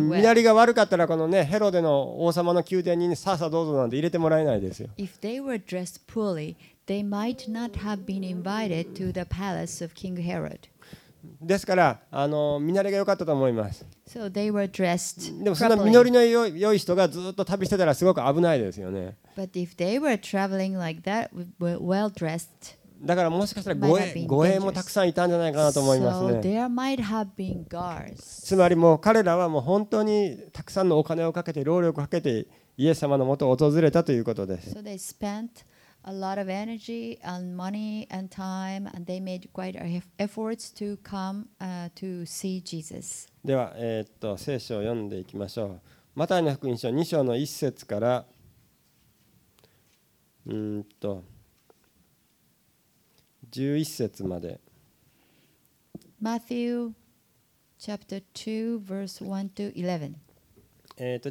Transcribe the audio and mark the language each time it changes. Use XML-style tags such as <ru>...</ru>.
<ja>身なりが悪かったらこのねヘロデの王様の宮殿にさあさあどうぞなんて入れてもらえないですよ。</ja> <en>If they were dressed poorly, they might not have been invited to the palace of King Herod.</en> <ja>ですから身なりが良かったと思います。</ja> <en>So they were dressed properly.</en> <ja>でもその身なりの良い人がずっと旅してたらすごく危ないですよね。</ja> <en>But if they were traveling like that, well dressed.</en> <ja>だからもしかしたら護衛もたくさんいたんじゃないかなと思いますね。</ja> <en>So there might have been guards.</en> <ja>つまりもう彼らはもう本当にたくさんのお金をかけて労力をかけてイエス様のもとを訪れたということです。</ja> <en>So they spent a lot of energy and money and time and they made quite efforts to come to see Jesus.</en> <ja>では聖書を読んでいきましょう。マタイの福音書2章の1節から11節まで。</ja> <en>Matthew chapter 2 verse 1 to 11.</en>